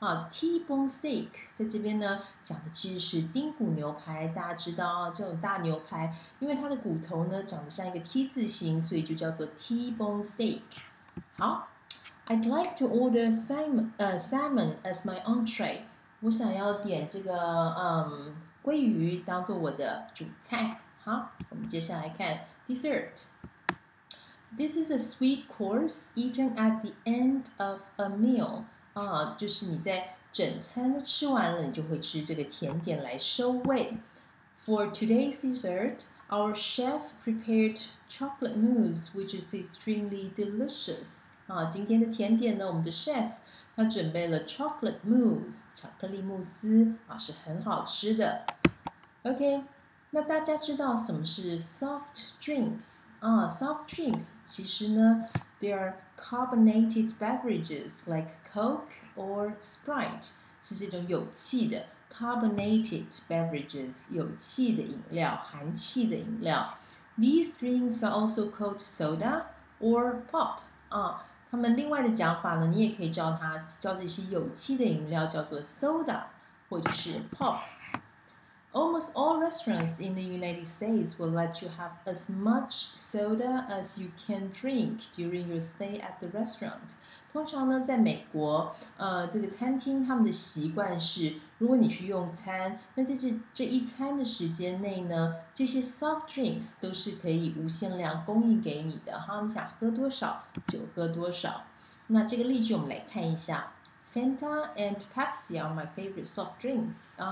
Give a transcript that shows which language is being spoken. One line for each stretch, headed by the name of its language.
Chinese: T-bone steak 在这边呢，讲的其实是丁骨牛排，大家知道这种大牛排，因为它的骨头呢长得像一个 T 字形，所以就叫做 T-bone steak.
English: 好， I'd like to order salmon as my entree.
Chinese: 我想要点这个鲑鱼当做我的主菜。好，我们接下来看 dessert。
English: This is a sweet course eaten at the end of a meal。
Chinese: 就是你在整餐都吃完了，你就会吃这个甜点来收胃。
English: For today's dessert, our chef prepared chocolate mousse, which is extremely delicious。
Chinese: 今天的甜点呢，我们的 chef。他准备了 chocolate mousse， 巧克力慕斯啊，是很好吃的。 OK， 那大家知道什么是 soft drinks 啊？ Soft drinks 其实呢 ，
English: they are carbonated beverages like Coke or Sprite，
Chinese: 是这种有气的 carbonated beverages， 有气的饮料，含气的饮料。
English: These drinks are also called soda or pop 啊。
Chinese: 他们另外的讲法呢，你也可以叫这些有气的饮料叫做 soda 或者是 pop。
English: Almost all restaurants in the United States will let you have as much soda as you can drink during your stay at the restaurant.
Chinese: 通常呢，在美国，这个餐厅他们的习惯是，如果你去用餐，那在 这一餐的时间内呢，这些 soft drinks 都是可以无限量供应给你的，哈，你想喝多少就喝多少。那这个例句我们来看一下。
English: Fanta and Pepsi are my favorite soft drinks.